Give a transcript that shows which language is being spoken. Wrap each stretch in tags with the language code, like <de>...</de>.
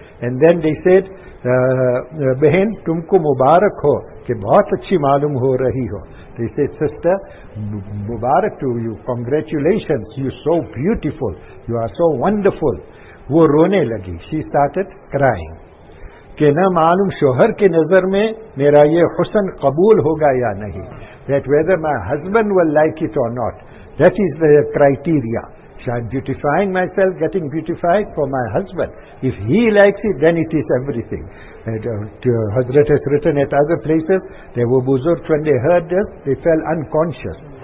<en>And then they said,</en> <ur>behen, tumko mubarak ho, ke bahut achhi malum ho rahi ho.</ur> <en>They said, sister, mubarak to you, congratulations, you're so beautiful, you are so wonderful.</en> <ur>Wo rone lagi,</ur> <en>she started crying.</en> <ur>کہ نہ معلوم شوہر کے نظر میں میرا یہ حسن قبول ہوگا یا نہیں.</ur> <en>That whether my husband will like it or not, that is the criteria. So I'm beautifying myself, getting beautified for my husband. If he likes it, then it is everything. Hazrat has written at other places, there were buzurgs when they heard this, they fell unconscious.</en>